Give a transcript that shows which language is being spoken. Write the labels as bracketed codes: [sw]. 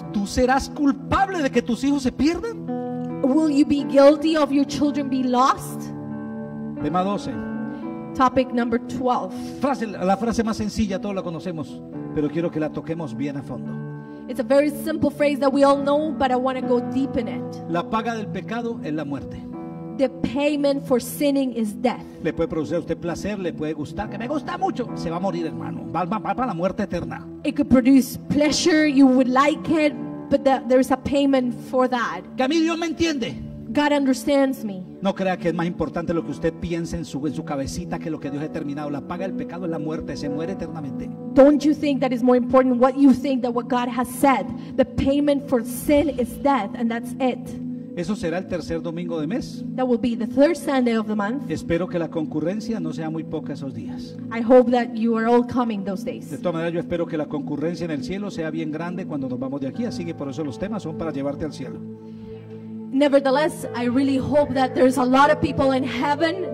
[es] ¿Tú serás culpable de que tus hijos se pierdan? [en] Will you be guilty of your children be lost? [es] Tema 12. [en] Topic number 12. [es] La frase más sencilla, todos la conocemos, pero quiero que la toquemos bien a fondo. [en] It's a very simple phrase that we all know, but I want to go deep in it. [es] La paga del pecado es la muerte. [en] The payment for sinning is death. [es] Le puede producir a usted placer, le puede gustar, que me gusta mucho, se va a morir, hermano, va para la muerte eterna. [en] It could produce pleasure, you would like it, but there is a payment for that. [es] Que a mí Dios me entiende. [en] God understands me. [es] No crea que es más importante lo que usted piense en su cabecita que lo que Dios ha determinado. La paga del pecado es la muerte, se muere eternamente. [en] Don't you think that is more important what you think than what God has said? The payment for sin is death, and that's it. [es] Eso será el tercer domingo de mes. [en] That will be the third Sunday of the month. [es] Espero que la concurrencia no sea muy poca esos días. [en] I hope that you are all coming those days. [es] De todas maneras, yo espero que la concurrencia en el cielo sea bien grande cuando nos vamos de aquí, así que por eso los temas son para llevarte al cielo. [en] Nevertheless, I really hope that there's a lot of people in heaven.